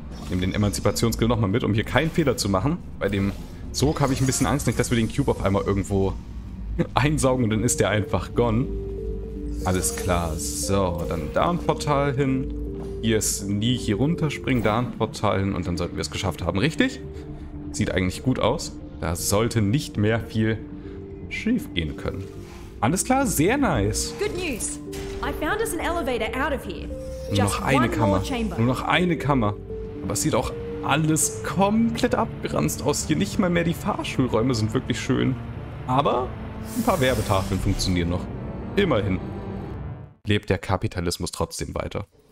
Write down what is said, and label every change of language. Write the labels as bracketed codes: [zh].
[de] Nehmen den Emanzipationsskill nochmal mit, um hier keinen Fehler zu machen. Bei dem Sog habe ich ein bisschen Angst, nicht, dass wir den Cube auf einmal irgendwo einsaugen und dann ist der einfach gone. Alles klar. So, dann da ein Portal hin. Hier ist nie hier runterspringen. Da ein Portal hin und dann sollten wir es geschafft haben. Richtig? Sieht eigentlich gut aus. Da sollte nicht mehr viel schief gehen können. Alles klar, sehr nice. [en] Good news. I found us an elevator out of here. [de] Nur noch eine Kammer. Nur noch eine Kammer. Aber es sieht auch alles komplett abgeranzt aus hier. Nicht mal mehr die Fahrschulräume sind wirklich schön. Aber ein paar Werbetafeln funktionieren noch. Immerhin. Lebt der Kapitalismus trotzdem weiter.